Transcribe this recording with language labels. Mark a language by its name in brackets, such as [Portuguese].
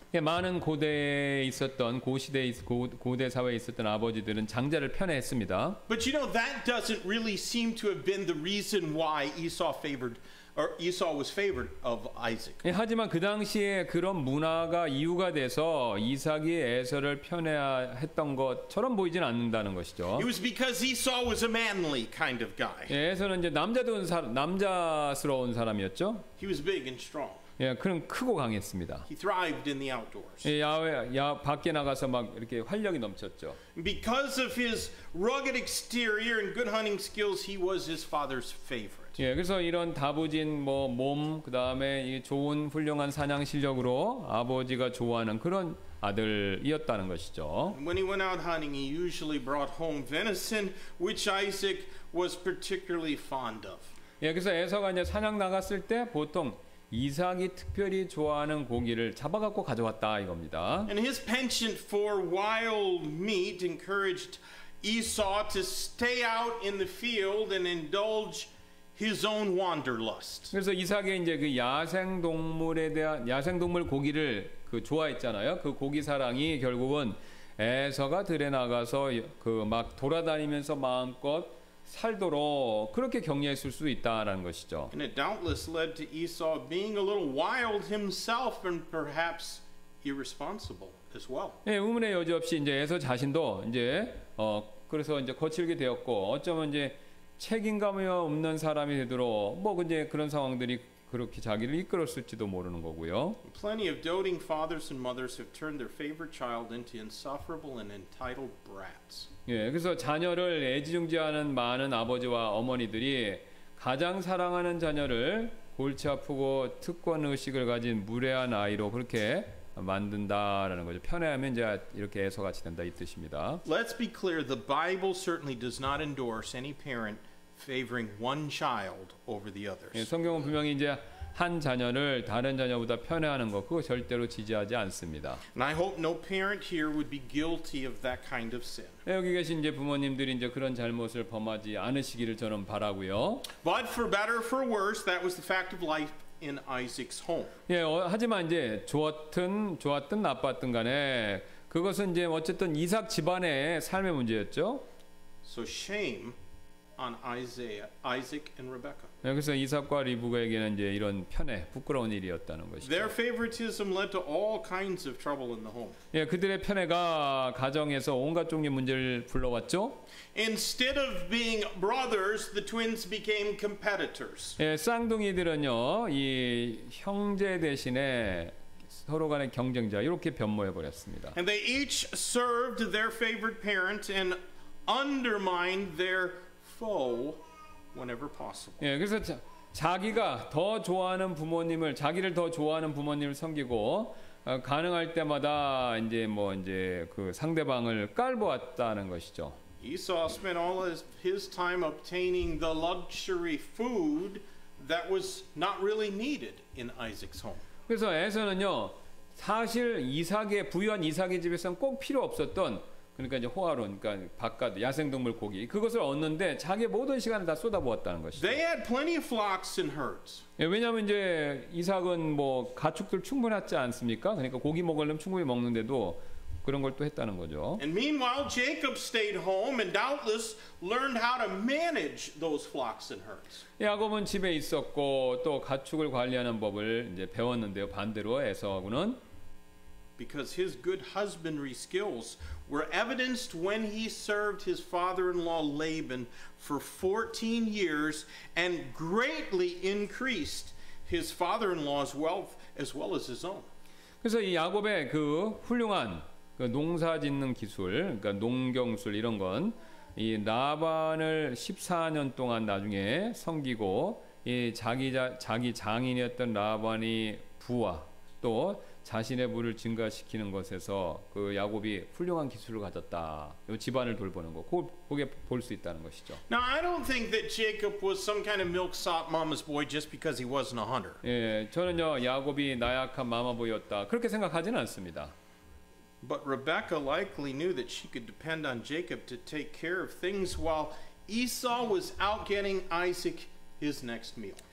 [Korean] 예, 많은 고대에 있었던 고시대 고대 사회에 있었던 아버지들은 장자를 편애했습니다. [English] But you know that doesn't really seem to have been the reason why Esau favored or Esau was favored of Isaac. [Korean] 예, 하지만 그 당시에 그런 문화가 이유가 돼서 이삭이 에서를 편애했던 것처럼 보이진 않는다는 것이죠. [English] It was because Esau was a manly kind of guy. [Korean] 예, 에서는 이제 남자다운 남자스러운 사람이었죠. [English] He was big and strong. [Korean] 예, 그는 크고 강했습니다. [English] He thrived in the outdoors. [Korean] 예, 야외 밖에 나가서 막 이렇게 활력이 넘쳤죠. [English] Because of his rugged exterior and good hunting skills, he was his father's favorite. [Korean] 예, 그래서 이런 다부진 뭐 몸, 그 다음에 이 좋은 훌륭한 사냥 실력으로 아버지가 좋아하는 그런 아들이었다는 것이죠. [English] When he went out hunting, he usually brought home venison, which Isaac was particularly fond of. [Korean] 예, 그래서 에서가 이제 사냥 나갔을 때 보통 이삭이 특별히 좋아하는 고기를 잡아갖고 가져왔다 이겁니다. [English] And his penchant for wild meat encouraged Esau to stay out in the field and indulge. His own wanderlust. [Korean] 그래서 이삭이 이제 그 야생 동물에 대한 야생 동물 고기를 그 좋아했잖아요. 그 고기 사랑이 결국은 에서가 들에 나가서 그 막 돌아다니면서 마음껏 살도록 그렇게 격려했을 수 있다라는 것이죠. [English] And it doubtless led to Esau being a little wild himself and perhaps irresponsible as well. [Korean] 예, 의문의 여지 없이 이제 에서 자신도 이제 그래서 이제 거칠게 되었고 어쩌면 이제 책임감이 없는 사람이 되도록 뭐 이제 그런 상황들이 그렇게 자기를 이끌었을지도 모르는 거고요. [English] Plenty of doting fathers and mothers have turned their favorite child into insufferable and entitled brats. [Korean] 예, 그래서 자녀를 애지중지하는 많은 아버지와 어머니들이 가장 사랑하는 자녀를 골치 아프고 특권 의식을 가진 무례한 아이로 그렇게 만든다라는 거죠. 편애하면 이제 이렇게 해서 같이 된다 이 뜻입니다. [English] Let's be clear. The Bible certainly does not endorse any parent favoring one child over the others. [Korean] 예, 성경은 분명히 이제 한 자녀를 다른 자녀보다 편애하는 거 그거 절대로 지지하지 않습니다. [English] And I hope no parent here would be guilty of that kind of sin. [Korean] 예, 여기 계신 이제 부모님들이 이제 그런 잘못을 범하지 않으시기를 저는 바라고요. [English] But for better or for worse, that was the fact of life. In Isaac's home. [Korean] 예, 하지만 이제 좋았든 나빴든 간에 그것은 이제 어쨌든 이삭 집안의 삶의 문제였죠. [English] So shame on Isaac and Rebecca. [Korean] 예, 그래서 이삭과 리브가에게는 이제 이런 편애, 부끄러운 일이었다는 것이죠. [English] Their favoritism led to all kinds of trouble in the home. [Korean] 예, 그들의 편애가 가정에서 온갖 종류의 문제를 불러왔죠. [English] Instead of being brothers, the twins became competitors. [Korean] 예, 쌍둥이들은요, 이 형제 대신에 서로 간의 경쟁자 이렇게 변모해 버렸습니다. [English] And they each served their favorite parent and undermined their foe whenever possible. [Korean] 예, 그래서 자기가 더 좋아하는 부모님을 자기를 더 좋아하는 부모님을 섬기고 가능할 때마다 이제 뭐 이제 그 상대방을 깔보았다는 것이죠. [English] Esau spent all his time obtaining the luxury food that was not really needed in Isaac's home. [Korean] 그래서 에서는요, 사실 이삭의 부유한 이삭의 집에서는 꼭 필요 없었던 그러니까 이제 호화로운 그러니까 바깥 야생동물 고기 그것을 얻는데 자기의 모든 시간을 다 쏟아부었다는 것이죠. [English] They had plenty of flocks and herds. [Korean] 예, 왜냐하면 이제 이삭은 뭐 가축들 충분하지 않습니까? 그러니까 고기 먹으려면 충분히 먹는데도. 그런 걸 또 했다는 거죠. [English] And meanwhile, Jacob stayed home and doubtless learned how to manage those flocks and herds. [Korean] 야곱은 집에 있었고 또 가축을 관리하는 법을 이제 배웠는데요. 반대로 에서하고는 [English] because his good husbandry skills were evidenced when he served his father-in-law Laban for 14 years and greatly increased his father-in-law's wealth as well as his own. [Korean] 그래서 이 야곱의 그 훌륭한 농사 짓는 기술, 그러니까 농경술 이런 건 이 나반을 14년 동안 나중에 섬기고 이 자기 장인이었던 라반이 부와 또 자신의 부를 증가시키는 것에서 그 야곱이 훌륭한 기술을 가졌다. 요 집안을 돌보는 거. 그게 볼 수 있다는 것이죠. [English] Now I don't think that Jacob was some kind of milksop mama's boy just because he wasn't a hunter. [Korean] 예, 저는요 야곱이 나약한 마마보였다 그렇게 생각하지는 않습니다. [English] But Rebecca likely knew that she could depend on Jacob to take care of things while Esau was out getting Isaac his next meal.